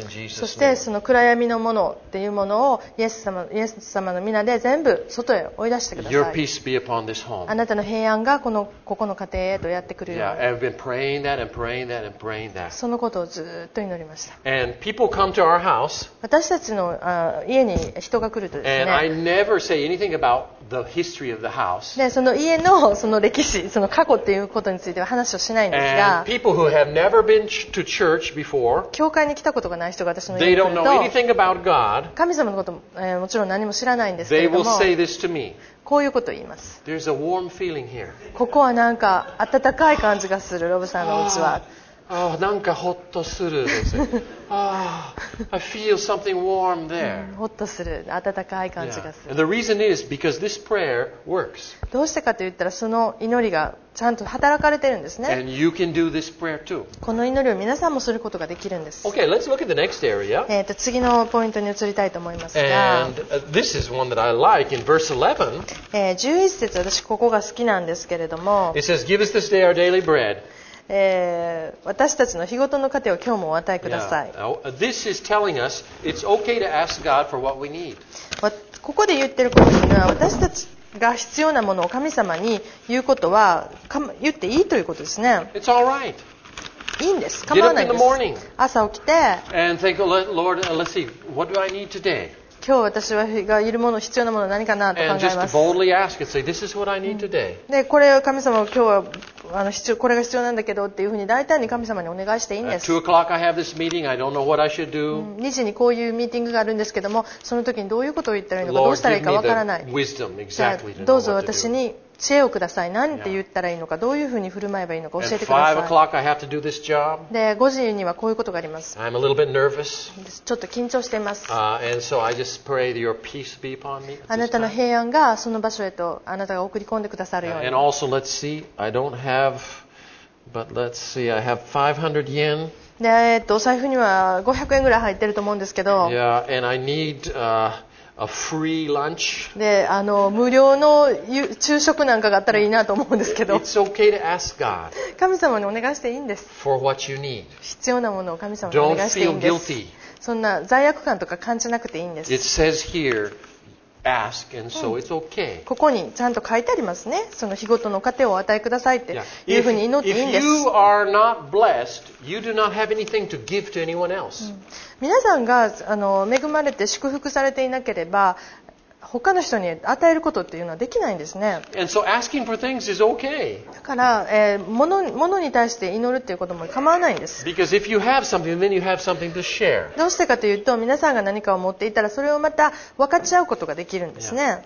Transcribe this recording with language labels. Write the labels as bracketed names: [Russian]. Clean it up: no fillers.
[Japanese] そしてその暗闇のものっていうものをイエス様の皆で全部外へ追い出してください。 [English] Your peace be upon this home. [Japanese] あなたの平安がここの家庭へとやってくるように。 [English] Yeah, I've been praying that and praying that and praying that. [Japanese] そのことをずっと祈りました。 [English] And people come to our house. [Japanese] 私たちの家に人が来るとですね。 [English] And I never say anything about the history of the house. [Japanese] でその家のその歴史、その過去っていうことについては話をしないんですが。 [English] People who have never been to church before, [Japanese] 教会に来たことがない人が私の家に来ると神様のことも、もちろん何も知らないんですけれども [English] they will say this to me. [Japanese] こういうことを言います。 [English] There's a warm feeling here. [Japanese] ここはなんか温かい感じがする。ロブさんの家はなんかホッとするです、ね。 [English] I feel something warm there. [Japanese] ホッとする、温かい感じがする。 [English] Yeah. And the reason is because this prayer works. [Japanese] どうしてかと言ったら、その祈りがちゃんと働かれてるんですね。 [English] And you can do this prayer too. [Japanese] この祈りを皆さんもすることができるんです。 [English] Okay, let's look at the next area. [Japanese] 次のポイントに移りたいと思いますが、 [English] And this is one that I like in verse 11. [Japanese] 11節、私ここが好きなんですけれども、 [English] It says, "Give us this day our daily bread." [Japanese] 私たちの日ごとの糧を今日もお与えください。 [English] Yeah. This is telling us it's okay to ask God for what we need. [Japanese] ここで言ってることというのは私たちが必要なものを神様に言うことは言っていいということですね。 [English] It's all right. [Japanese] いいんです。構わないです。朝起きて。 [English] And think, Lord, let's see, what do I need today? [Japanese] 今日私がいるもの必要なもの何かなと考えます。 [English] and just boldly ask and say, [Japanese] でこれを神様今日は必要これが必要なんだけどっていうふうに大胆に神様にお願いしていいんです。 [English] 2:00 I have this meeting. I don't know what I should do. [Japanese] 2時にこういうミーティングがあるんですけどもその時にどういうことを言ったらいいのかどうしたらいいかわからない。 [English] Lord, give me the wisdom exactly to know what to do. [Japanese] どうぞ私に知恵をください。何て言ったらいいのか、どういうふうに振る舞えばいいのか教えてください。で、5時にはこういうことがあります。 [English] I'm a little bit nervous. [Japanese] ちょっと緊張しています。 [English] And so I just pray that your peace be upon me. [Japanese] あなたの平安がその場所へとあなたが送り込んでくださるように。 [English] And also, let's see. I don't have, but let's see. I have 500 yen. [Japanese] で、お財布には500円ぐらい入ってると思うんですけど、 [English] yeah, and I need, a free lunch. [Japanese] で、無料の昼食なんかがあったらいいなと思うんですけど、 [English] It's okay to ask God. [Japanese] 神様にお願いしていいんです。 [English] For what you need. [Japanese] 必要なものを神様にお願いしていいんです。 [English] Don't feel guilty. [Japanese] そんな罪悪感とか感じなくていいんです。 [English] It says here, ask, and so it's okay. [Japanese] ここにちゃんと書いてありますね。その日ごとの糧をお与えくださいっていうふうに祈っていいんです。 [English] If you are not blessed, you do not have anything to give to anyone else. [Japanese] 皆さんが恵まれて祝福されていなければ、他の人に与えることっていうのはできないんですね。 [English] And so asking for things is okay. [Japanese] だから、物に対して祈るっていうことも構わないんです。 [English] Because if you have something, then you have something to share. [Japanese] どうしてかというと、皆さんが何かを持っていたら、それをまた分かち合うことができるんですね。